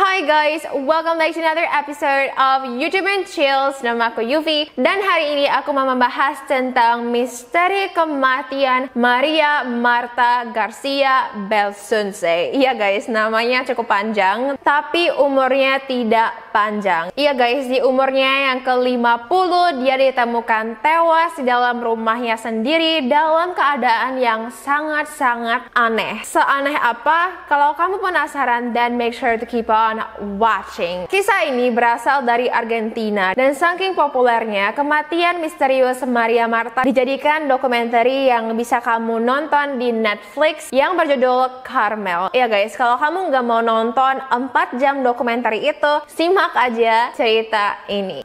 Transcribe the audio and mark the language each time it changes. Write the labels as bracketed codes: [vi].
[en] Guys, welcome back to another episode of YouTube and Chills. [id] Nama aku Yuvi dan hari ini aku mau membahas tentang misteri kematian Maria Marta García Belsunce. Iya guys, namanya cukup panjang tapi umurnya tidak panjang. Iya guys, di umurnya yang ke-50 dia ditemukan tewas di dalam rumahnya sendiri dalam keadaan yang sangat-sangat aneh. Seaneh apa? Kalau kamu penasaran, [en] then make sure to keep on watching. [id] Kisah ini berasal dari Argentina dan saking populernya, kematian misterius Maria Marta dijadikan dokumenter yang bisa kamu nonton di Netflix yang berjudul Carmel. Iya guys, kalau kamu nggak mau nonton 4 jam dokumenter itu, simak aja cerita ini.